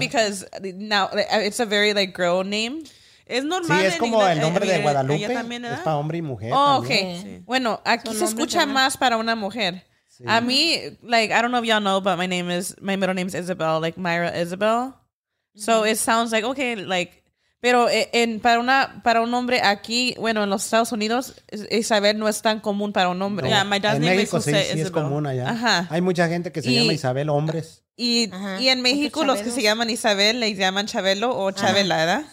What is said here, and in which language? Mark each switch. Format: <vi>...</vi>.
<en>Because now it's a very like girl name.</en> <es>Es normal. Sí, es como el nombre de Guadalupe. También, es para hombre y mujer.</es> <en>Oh, okay. Sí.</en> <es>Bueno, aquí se escucha también más para una mujer. Sí. A mí,</es> <en>like, I don't know if y'all know, but my middle name is Isabel, like Myra Isabel. So mm-hmm. It sounds like okay, like,</en> <es>pero en para un hombre aquí, bueno, en los Estados Unidos, Isabel no es tan común para un hombre. No.</es> <en>Yeah, my dad's en name</en> <es>México sí, Isabel. Sí es común allá. Ajá. Hay mucha gente que se llama Isabel, hombres. Y en México los que se llaman Isabel les llaman Chabelo o Chabela, ajá, ¿verdad?</es>